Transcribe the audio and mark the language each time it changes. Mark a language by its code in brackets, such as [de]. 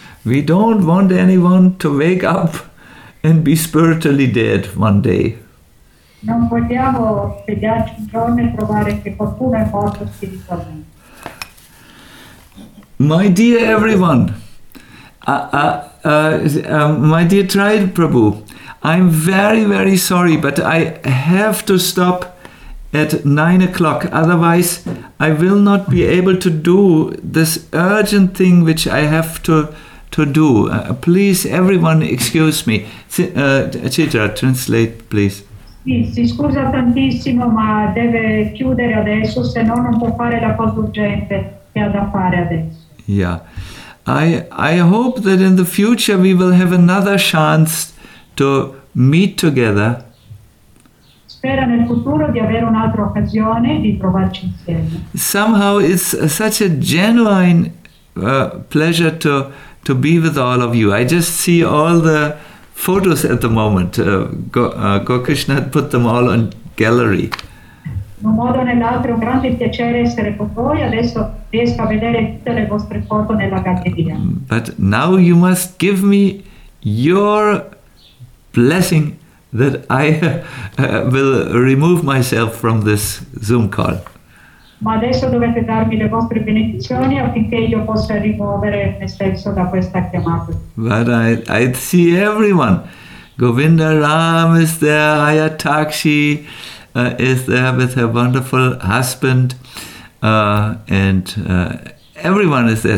[en] We don't want anyone to wake up and be spiritually dead one day. [it] Non vogliamo svegliarci un giorno e trovare che qualcuno è morto spiritualmente. [en] My dear everyone, my dear Trai Prabhu, I'm very, very sorry, but I have to stop at 9 o'clock. Otherwise, I will not be able to do this urgent thing which I have to do. Please, everyone, excuse me. Chitra, translate, please. [it] Si scusa tantissimo, ma deve chiudere adesso, se no non può fare la cosa urgente che ha da fare adesso. [en] Yeah, I hope that in the future we will have another chance to meet together. [it] Spero nel futuro di avere un'altra occasione di trovarci insieme. [en] Somehow it's such a genuine pleasure to be with all of you. I just see all the photos at the moment. Gokrishna put them all on gallery. [it] In un modo o nell'altro è un grande piacere essere con voi, adesso riesco a vedere tutte le vostre foto nella galleria. [en] But now you must give me your blessing that I will remove myself from this Zoom call. [it] Ma adesso dovete darmi le vostre benedizioni affinché io possa rimuovere me stesso da questa chiamata. [en] But I see everyone. Govinda Ram is there, Ayataksi is there with her wonderful husband, and everyone is there.